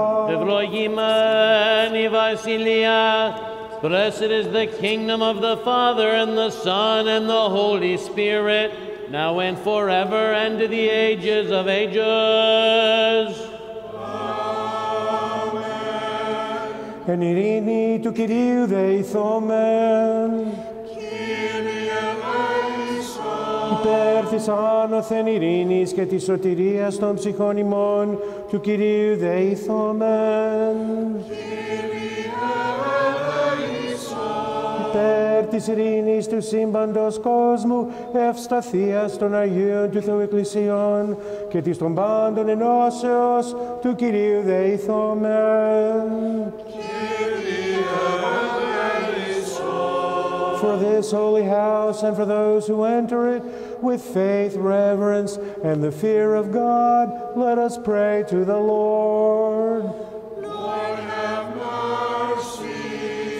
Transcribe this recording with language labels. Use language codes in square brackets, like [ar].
[el] Ευλογημένη Βασιλεία. [en] Blessed is the kingdom of the Father and the Son and the Holy Spirit, now and forever and to the ages of ages. [el] Εν ειρήνη του Κυρίου δεηθώμεν. Κύριε ελέησον. Υπέρθης άνωθεν ειρήνης και της σωτηρίας των ψυχών ημών του Κυρίου δεηθώμεν. Κύριε ελέησον. Υπέρ της ειρήνης του σύμπαντος κόσμου ευσταθίας των Αγίων του Θεού Εκκλησιών και της των πάντων ενώσεως του Κυρίου δεηθώμεν. [en] For this holy house and for those who enter it with faith, reverence, and the fear of God, let us pray to the Lord. Lord, have mercy.